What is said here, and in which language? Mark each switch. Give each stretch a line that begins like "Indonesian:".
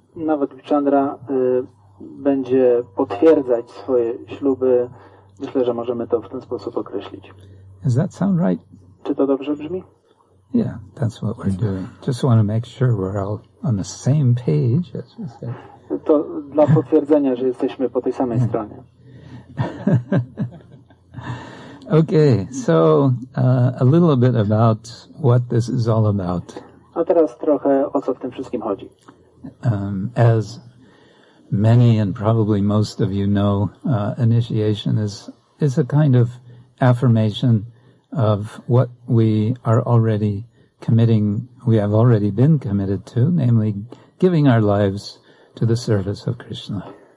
Polish: Navadvipa Chandra będzie potwierdzać swoje śluby. Myślę, że możemy to w ten sposób określić.
English: Does that sound right?
Polish: Czy to dobrze brzmi?
English: Yeah, that's what we're doing. Just want to make sure we're all on the same page, as we say.
Polish: To dla potwierdzenia, że jesteśmy po tej samej stronie.
English: Okay, so a little bit about what this is all about.
Polish: A teraz trochę o co w tym wszystkim chodzi.
English: As many and probably most of you know, initiation is a kind of affirmation of what we are already committing, we have already been committed to, namely giving our lives to the service of Krishna.